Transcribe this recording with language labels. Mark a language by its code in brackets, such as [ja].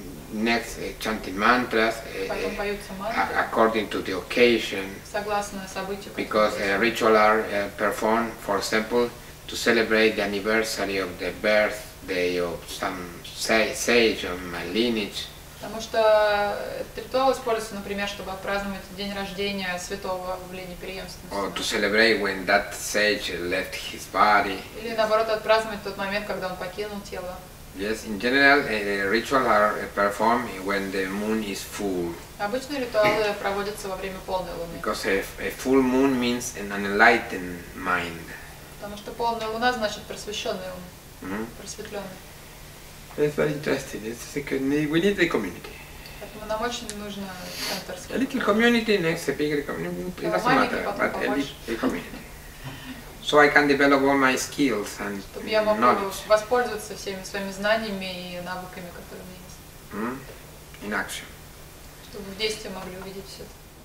[en] Next, chanting mantras, according to the occasion, because rituals are performed, for example, to celebrate the anniversary of the birthday of some sage of my lineage. [ru] Потому что ритуал используется, например, чтобы отпраздновать день рождения святого в линии преемственности. [en] Or to celebrate when that sage left his body. [ru] Или наоборот, отпраздновать тот момент, когда он покинул тело. [en] Yes, in general, rituals are performed when the moon is full. [ru] Обычно ритуалы проводятся во время полной луны. [en] Because a full moon means an enlightened mind. [ru] Потому что полная луна значит просвещенный ум, просветленный. [en] It's very interesting. It's like we need the community. [ru] Нам очень нужно центр. [en] A little community next to bigger community. It doesn't matter, but a little community. So I can develop all my skills and knowledge. [ru] Воспользоваться всеми своими знаниями и навыками, которые у меня есть. [en] In action. [ru] Чтобы в действии могли увидеть все это.